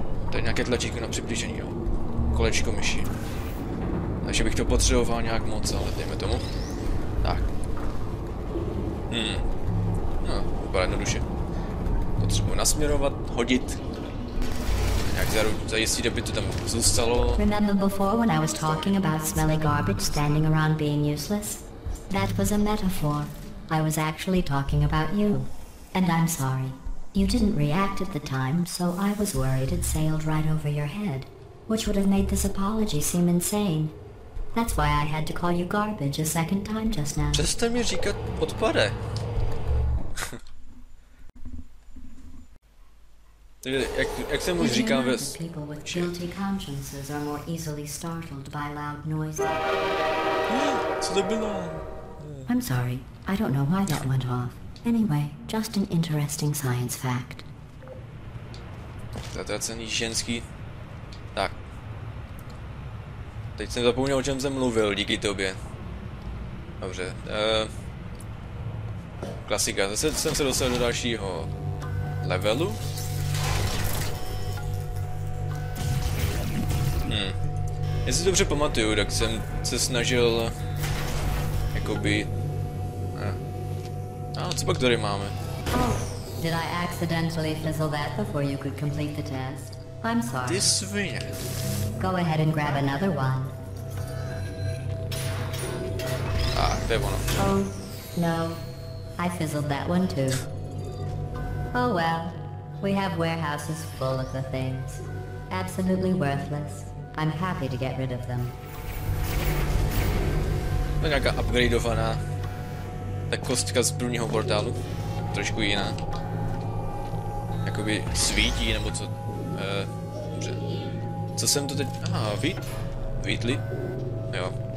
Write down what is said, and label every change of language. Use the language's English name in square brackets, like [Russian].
[Czech] To je nějaké tlačítko na přiblížení, jo. Kolečko myši. Takže bych to potřeboval nějak moc, ale dejme tomu. Tak. No, vypadá jednoduše. Potřebuji nasměrovat, hodit. Nějak zajistit, aby to tam zůstalo. [English] Remember before when I was talking about smelly garbage standing around being useless? That was a metaphor. I was actually talking about you. And I'm sorry. You didn't react at the time, so I was worried it sailed right over your head. Which would have made this apology seem insane. That's why I had to call you garbage a second time just now. [Czech] Přestaň mi říkat odpade. Takže jak jsem už říkal ve... [English] People with guilty consciences are more easily startled by loud noises. [Czech] Co to bylo? [English] I'm sorry. I don't know why that went off. Anyway, just an interesting science fact. [Czech] Zatracený ženský. Tak. Teď jsem zapomněl, o čem jsem mluvil, díky tobě. Dobře. Klasika. Zase jsem se dostal do dalšího levelu. Jestli dobře pamatuju, tak jsem se snažil... Jakoby... No, co pak tady máme? [English] Oh, did I accidentally fizzle that before you could complete the test? I'm sorry. [Czech] Ty svině. [English] Go ahead and grab another one. [Czech] Ah, to je ono. [English] Oh, no. I fizzled that one too. Oh well. We have warehouses full of the things. Absolutely worthless. I'm happy to get rid of them. [Czech] To je nějaká upgradeovaná. Ta kostka z prvního portálu. Trošku jiná. Jakoby svítí, nebo co? Dobře. Co jsem to teď... Vítli? Jo.